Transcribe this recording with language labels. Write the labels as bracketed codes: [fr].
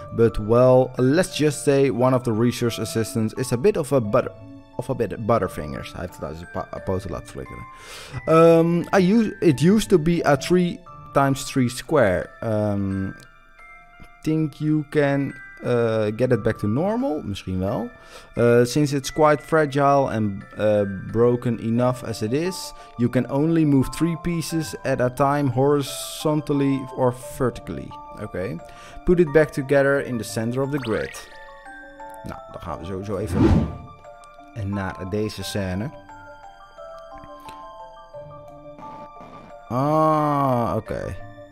[en] But well, let's just say one of the research assistants is a bit of a butterfingers. [nl] Hij heeft het uit zijn poten laten flikkeren. [en] It used to be a 3... times 3 square. Think you can get it back to normal? [nl] Misschien wel. [en] Since it's quite fragile and broken enough as it is, you can only move 3 pieces at a time horizontally or vertically. Okay. Put it back together in the center of the grid. [nl] Nou, dan gaan we sowieso even en naar deze scène. Ah, oké. Okay.